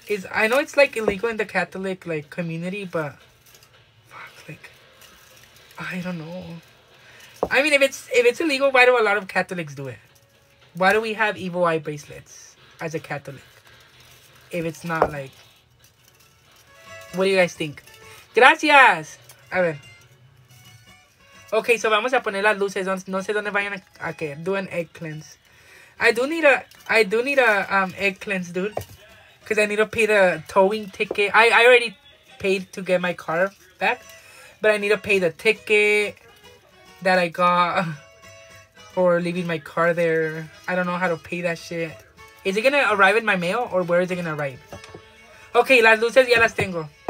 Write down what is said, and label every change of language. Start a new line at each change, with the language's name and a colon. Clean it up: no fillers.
English: I know it's like illegal in the Catholic like community, but fuck, like I don't know. I mean, if it's illegal, why do a lot of Catholics do it? Why do we have evil eye bracelets as a Catholic? If it's not like, what do you guys think?
Spanish: Gracias. A ver.
English: Okay, so
Spanish: vamos a poner las luces. No sé dónde vayan a que
English: do an egg cleanse. I do need a egg cleanse, dude. Cause I need to pay the towing ticket. I already paid to get my car back, but I need to pay the ticket that I got for leaving my car there. I don't know how to pay that shit. Is it gonna arrive in my mail or where is it gonna arrive? Okay,
Spanish: las luces ya las tengo.